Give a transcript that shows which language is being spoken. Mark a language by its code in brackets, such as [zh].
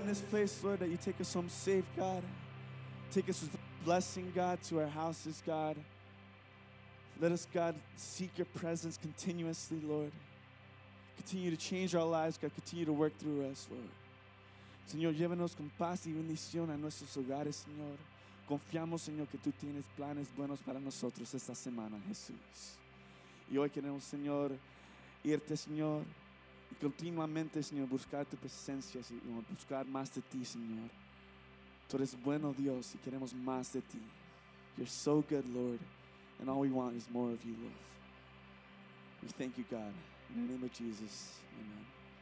[en] Place, Lord, that you take us home safe, God. Take us with blessing, God, to our houses, God. Let us, God, seek your presence continuously, Lord. Continue to change our lives, God. Continue to work through us, Lord. [es] Señor, llévenos con paz y bendición a nuestros hogares, Señor. Confiamos, Señor, que tú tienes planes buenos para nosotros esta semana, Jesús. Y hoy queremos, Señor, irte, Señor, y continuamente, Señor, buscar tu presencia, Señor, buscar más de ti, Señor. Tú eres bueno, Dios, y queremos más de ti. [en] You're so good, Lord, and all we want is more of you, Lord. We thank you, God. In the name of Jesus, amen.